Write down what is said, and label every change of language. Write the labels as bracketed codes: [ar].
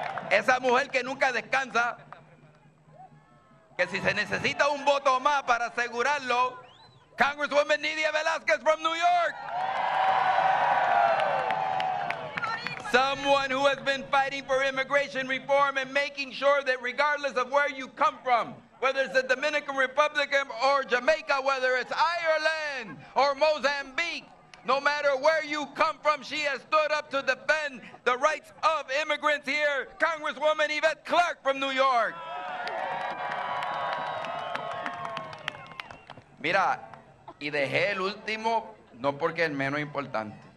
[es] Esa mujer que nunca descansa, que si se necesita un voto más para asegurarlo, Congresswoman Nidia Velázquez from New York. [en] Someone who has been fighting for immigration reform and making sure that regardless of where you come from, whether it's the Dominican Republic or Jamaica, whether it's Ireland or Mozambique, no matter where you come from, she has stood up to defend the rights of immigrants here, Congresswoman Yvette Clark from New York. [es] Mira, y dejé el último, no porque el menos importante.